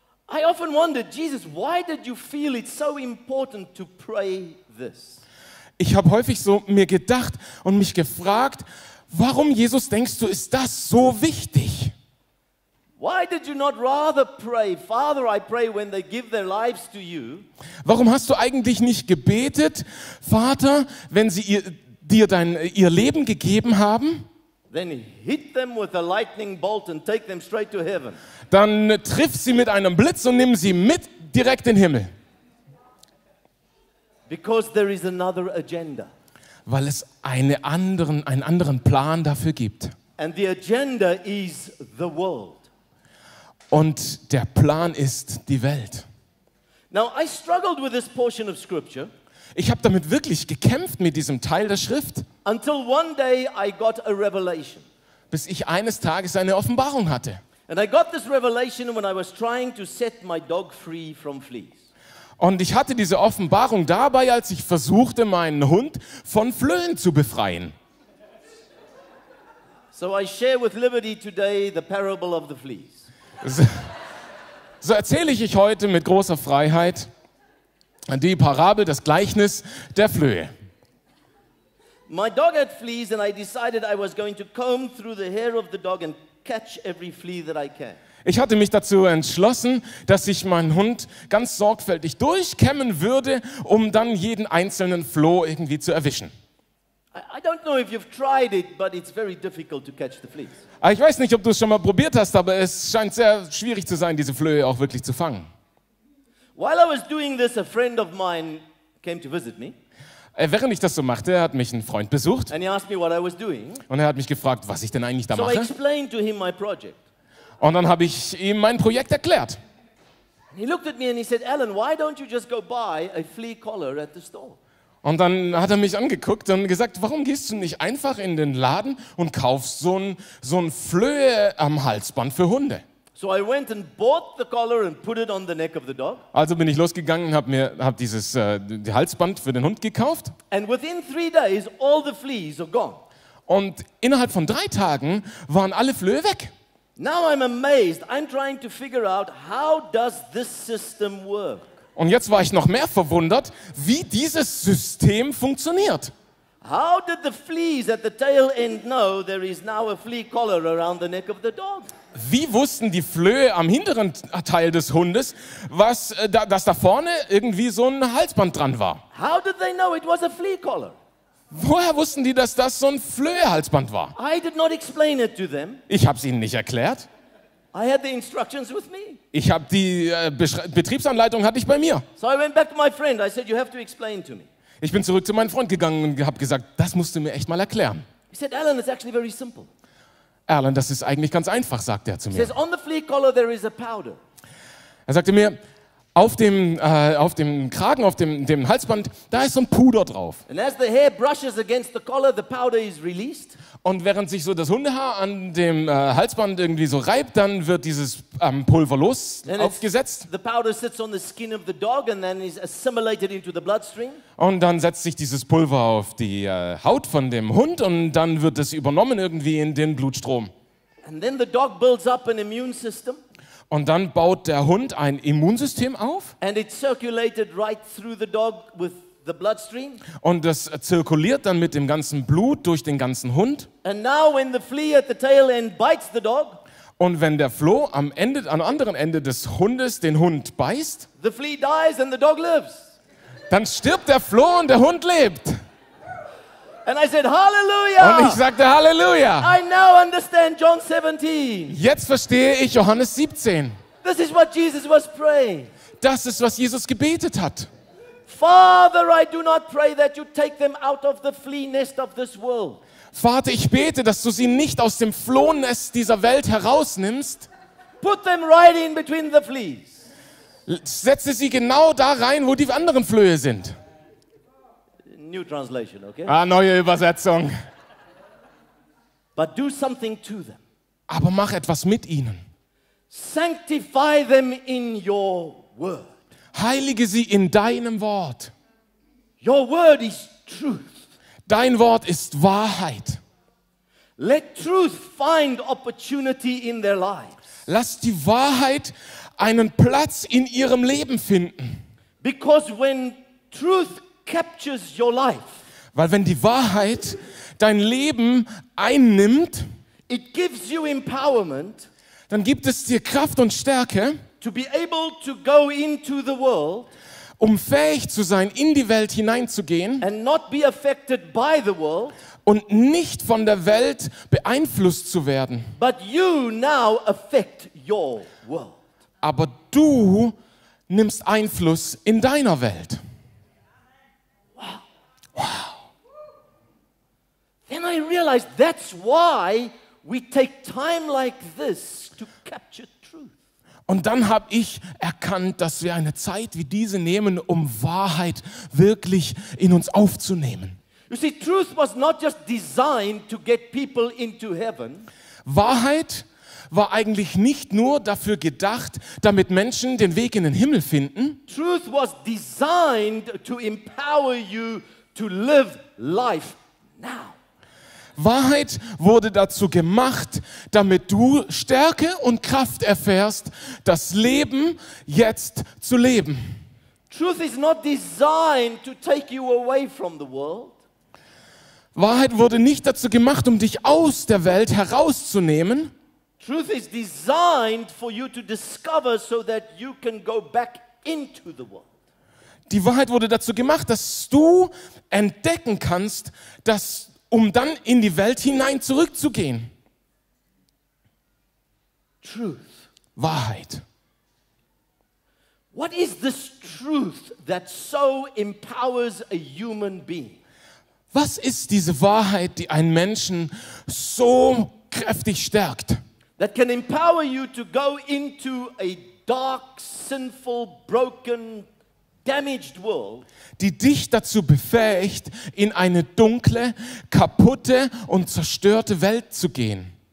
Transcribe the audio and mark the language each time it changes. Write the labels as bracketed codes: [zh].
[en] I often wondered, Jesus, why did you feel it so important to pray this? [de] ich habe häufig so mir gedacht und mich gefragt, warum, Jesus, denkst du, ist das so wichtig? [en] Why did you not rather pray, Father, I pray when they give their lives to you? [de] Warum hast du eigentlich nicht gebetet, Vater, wenn sie dir ihr Leben gegeben haben? [en] Then hit them with a lightning bolt and take them straight to heaven. [de] Dann triff sie mit einem Blitz und nimm sie mit direkt in den Himmel. [en] Because there is another agenda. [de] Weil es einen anderen Plan dafür gibt. [en] And the agenda is the world. [de] Und der Plan ist die Welt. [en] Now, I struggled with this portion of scripture. [de] Ich habe damit wirklich gekämpft, mit diesem Teil der Schrift. [en] Until one day I got a revelation. [de] Bis ich eines Tages eine Offenbarung hatte. [en] And I got this revelation when I was trying to set my dog free from fleas. [de] Und ich hatte diese Offenbarung dabei, als ich versuchte, meinen Hund von Flöhen zu befreien. [en] So I share with Liberty today the parable of the fleas. [de] So erzähle ich heute mit großer Freiheit die Parabel, das Gleichnis der Flöhe. [en] My dog had fleas and I decided I was going to comb through the hair of the dog and catch every flea that I can. [de] Ich hatte mich dazu entschlossen, dass ich meinen Hund ganz sorgfältig durchkämmen würde, um dann jeden einzelnen Floh irgendwie zu erwischen. [en] I don't know if you've tried it, but it's very difficult to catch the fleas. [de] Ich weiß nicht, ob du es schon mal probiert hast, aber es scheint sehr schwierig zu sein, diese Flöhe auch wirklich zu fangen. [en] While I was doing this, a friend of mine came to visit me. [de] Während ich das so machte, hat mich ein Freund besucht. [en] And he asked me what I was doing. [de] Und hat mich gefragt, was ich denn eigentlich da mache. [en] So I explained to him my project. [de] Und dann habe ich ihm mein Projekt erklärt. [en] And he looked at me and he said, Alan, why don't you just go buy a flea collar at the store? [de] Und dann hat er mich angeguckt und gesagt, warum gehst du nicht einfach in den Laden und kaufst so ein Flöhe am Halsband für Hunde? [en] So I went and bought the collar and put it on the neck of the dog. [de] Also bin ich losgegangen, habe dieses Halsband für den Hund gekauft. [en] And within 3 days all the fleas are gone. [de] Und innerhalb von 3 Tagen waren alle Flöhe weg. [en] Now I'm amazed. I'm trying to figure out how does this system work? [de] Und jetzt war ich noch mehr verwundert, wie dieses System funktioniert. [en] How did the fleas at the tail end know there is now a flea collar around the neck of the dog? [de] Wie wussten die Flöhe am hinteren Teil des Hundes, dass da vorne irgendwie so ein Halsband dran war? [en] How did they know it was a flea collar? [de] Woher wussten die, dass das so ein Flöhe-Halsband war? [en] I did not explain it to them. [de] Ich habe es ihnen nicht erklärt. [en] I had the instructions with me. [de] Ich habe die Betriebsanleitung hatte ich bei mir. [en] So I went back to my friend. I said, you have to explain to me. [de] Ich bin zurück zu meinem Freund gegangen und habe gesagt, das musst du mir echt mal erklären. [en] He said, Alan, it's actually very simple. [de] Alan, das ist eigentlich ganz einfach, sagt er zu mir. [en] He says, on the flea collar there is a powder. [de] Er sagte mir, auf dem Kragen, auf dem Halsband, da ist so ein Puder drauf. [en] And as the hair brushes against the collar, the powder is released. [de] Und während sich so das Hundehaar an dem Halsband irgendwie so reibt, dann wird dieses Pulver los aufgesetzt. [en] The powder sits on the skin of the dog and then is assimilated into the bloodstream. [de] Und dann setzt sich dieses Pulver auf die Haut von dem Hund und dann wird es übernommen irgendwie in den Blutstrom. [en] And then the dog builds up an immune system. [de] Und dann baut der Hund ein Immunsystem auf. [en] And it circulated right through the dog with the bloodstream. [de] Und das zirkuliert dann mit dem ganzen Blut durch den ganzen Hund. [en] And now when the flea at the tail end bites the dog, [de] und wenn der Floh am anderen Ende des Hundes den Hund beißt, [en] the flea dies and the dog lives. [de] Dann stirbt der Floh und der Hund lebt. [en] And I said, Hallelujah. [de] Und ich sagte Halleluja. [en] I now understand John 17. [de] Jetzt verstehe ich Johannes 17. [en] This is what Jesus was praying. [de] Das ist, was Jesus gebetet hat. [en] Father, I do not pray that you take them out of the flea nest of this world. [de] Vater, ich bete, dass du sie nicht aus dem Flohnest dieser Welt herausnimmst. [en] Put them right in between the fleas. [de] Setze sie genau da rein, wo die anderen Flöhe sind. [en] New translation, okay? [de] Neue Übersetzung. [en] But do something to them. [de] Aber mach etwas mit ihnen. [en] Sanctify them in your word. [de] Heilige sie in deinem Wort. [en] Your word is truth. [de] Dein Wort ist Wahrheit. [en] Let truth find opportunity in their lives. [de] Lass die Wahrheit einen Platz in ihrem Leben finden. [en] Because when truth captures your life, [de] Weil wenn die Wahrheit dein Leben einnimmt, [en] it gives you empowerment, [de] dann gibt es dir Kraft und Stärke, [en] to be able to go into the world, [de] um fähig zu sein, in die Welt hineinzugehen [en] and not be affected by the world, [de] und nicht von der Welt beeinflusst zu werden. [en] But you now affect your world. [de] Aber du nimmst Einfluss in deiner Welt. [en] Then I realized that's why we take time like this to capture truth. [de] Und dann habe ich erkannt, dass wir eine Zeit wie diese nehmen, um Wahrheit wirklich in uns aufzunehmen. [en] You see, truth was not just designed to get people into heaven. [de] Wahrheit war eigentlich nicht nur dafür gedacht, damit Menschen den Weg in den Himmel finden. [en] Truth was designed to empower you to live life now. [de] Wahrheit wurde dazu gemacht, damit du Stärke und Kraft erfährst, das Leben jetzt zu leben. [en] Truth is not designed to take you away from the world. [de] Wahrheit wurde nicht dazu gemacht, um dich aus der Welt herauszunehmen. [en] Truth is designed for you to discover so that you can go back into the world. [de] Die Wahrheit wurde dazu gemacht, dass du entdecken kannst, dass um dann in die Welt hinein zurückzugehen. [en] Truth. [de] Wahrheit. [en] What is this truth that so empowers a human being? [de] Was ist diese Wahrheit, die einen Menschen so kräftig stärkt? [en] That can empower you to go into a dark, sinful, broken, damaged world, [de] die dich dazu befähigt, in eine dunkle, kaputte und zerstörte Welt zu gehen.